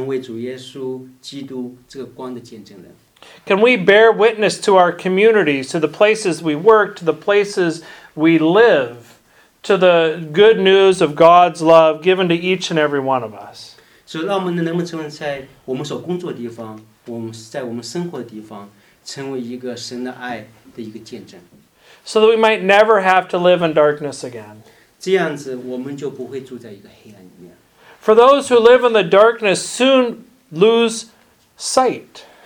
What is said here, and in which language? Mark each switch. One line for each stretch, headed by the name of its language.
Chinese: 所以我们想作为一个主内的弟兄姐妹，我们能不能一起成为主耶稣基督这个光的见证人？
English: Can we bear witness to our communities, to the places we work, to the places we live, to the good news of God's love given to each and every one of us?
Chinese: 所以让我们能不能成为在我们所工作的地方，我们在我们生活的地方，成为一个神的爱的一个见证。
English: So that we might never have to live in darkness again.
Chinese: 这样子我们就不会住在一个黑暗里面。
English: For those who live in the darkness soon lose sight.